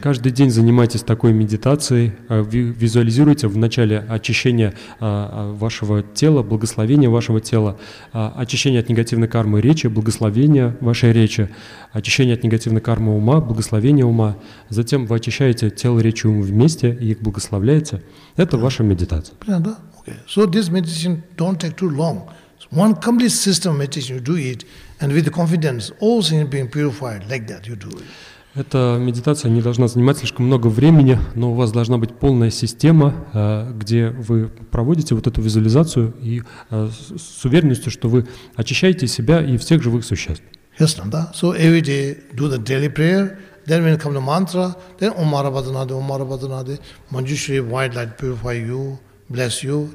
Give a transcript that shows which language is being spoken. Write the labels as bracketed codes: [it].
[ru] Каждый день занимайтесь такой медитацией. Визуализируйте в начале очищение вашего тела, благословение вашего тела, очищение от негативной кармы речи, благословение вашей речи, очищение от негативной кармы ума, благословение ума. Затем вы очищаете тело, речь и ум вместе и их благословляете. Это ваша медитация. Понятно, да? [en] Okay. So this meditation don't take too long. One complete system of meditation, you do it, and with the confidence, all things being purified, like that, you do it. [ru] Эта медитация не должна занимать слишком много времени, но у вас должна быть полная система, где вы проводите вот эту визуализацию и с уверенностью, что вы очищаете себя и всех живых существ. [en] Yes, да. So every day, do the daily prayer. Then when come the mantra, then Om Mara Badanade, Manjushri, white light purify you, bless you.